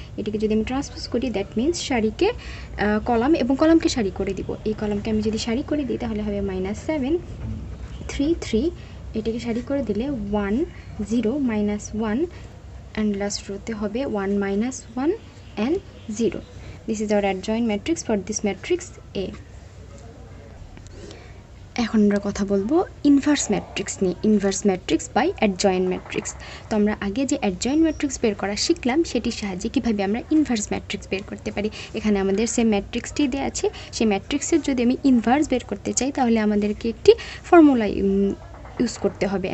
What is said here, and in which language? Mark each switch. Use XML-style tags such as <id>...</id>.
<bn>এটিকে যদি আমি ট্রান্সপোজ করি দ্যাট মিন্স সারিকে কলাম এবং কলামকে সারি করে দিব। এই কলামকে আমি যদি সারি করে দিই তাহলে হবে মাইনাস সেভেন থ্রি থ্রি, এটাকে সারি করে দিলে</bn> <en>1 0 minus 1 and last row</en> <bn>তে হবে</bn> <en>1 minus 1 and 0. This is our adjoint matrix for this matrix A.</en> <bn>এখন আমরা কথা বলবো ইনভার্স ম্যাট্রিক্স নিয়ে, inverse matrix by adjoint matrix. তো আমরা আগে যে অ্যাডজয়েন্ট ম্যাট্রিক্স বের করা শিখলাম সেটির সাহায্যে কীভাবে আমরা ইনভার্স ম্যাট্রিক্স বের করতে পারি। এখানে আমাদের সেই ম্যাট্রিক্সটি দেওয়া আছে, সেই ম্যাট্রিক্সের যদি আমি ইনভার্স বের করতে চাই তাহলে আমাদেরকে একটি ফর্মুলা ইউজ করতে হবে।</bn>